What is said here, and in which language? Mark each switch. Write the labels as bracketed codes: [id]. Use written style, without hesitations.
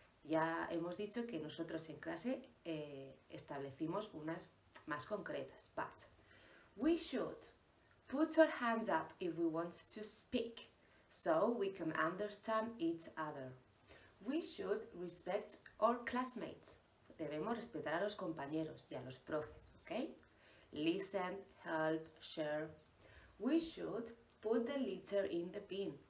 [es] Ya hemos dicho que nosotros en clase establecimos unas más concretas. [en] But we should put our hands up if we want to speak, so we can understand each other. We should respect our classmates. [es] Debemos respetar a los compañeros y a los profes, ¿ok? [en] Listen, help, share. We should put the litter in the bin.